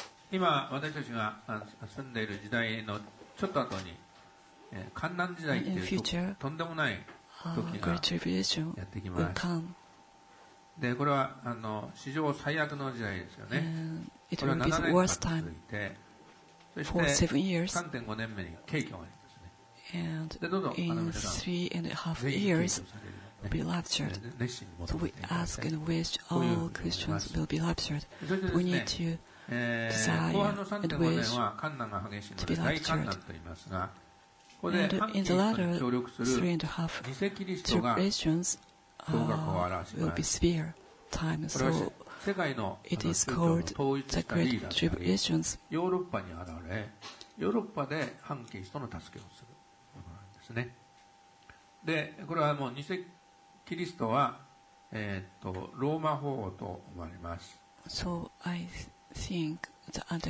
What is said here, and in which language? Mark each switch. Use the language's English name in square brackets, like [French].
[Japanese] 今私たちが住んでいる時代のちょっと後に患難時代という とんでもない時がやってきます。でこれは史上最悪の時代ですよね。これは7年間続いて、そして 3.5 年目に景気があります、ね、でどうぞ [English] in 3.5 years be raptured. So we ask and wish all Christians will be raptured. We need to desire and wish to be raptured. And in the latter three and a half tribulations, will be severe time. So it is called the Great Tribulations. [Japanese] ヨーロッパに現れ、ヨーロッパで反キリストの助けをするものなんですね。でこれはもう偽キリストは、ローマ法王と思われます。 [English] So I think the Antichrist